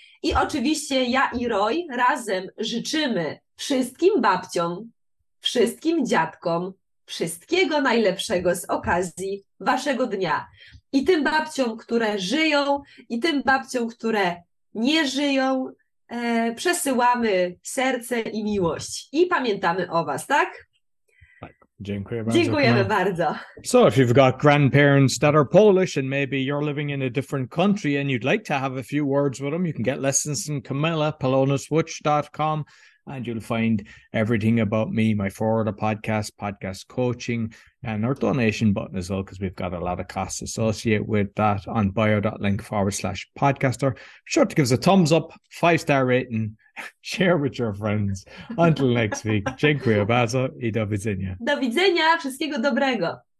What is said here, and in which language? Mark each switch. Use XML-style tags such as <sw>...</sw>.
<pl>I oczywiście ja i Roy razem życzymy wszystkim babciom, wszystkim dziadkom wszystkiego najlepszego z okazji waszego dnia. I tym babciom, które żyją, i tym babciom, które nie żyją, przesyłamy serce i miłość. I pamiętamy o was, tak? Dziękuję bardzo. Dziękujemy bardzo.</pl> <en>So if you've got grandparents that are Polish and maybe you're living in a different country and you'd like to have a few words with them, you can get lessons from Camilla, PolonusWitch.com, and you'll find everything about me, my Florida podcast, podcast coaching, and our donation button as well, because we've got a lot of costs associated with that on bio.link/podcaster. Be sure to give us a thumbs up, 5-star rating, share with your friends. Until next week.</en> <pl>Dziękuję bardzo i do widzenia. Do widzenia, wszystkiego dobrego.</pl>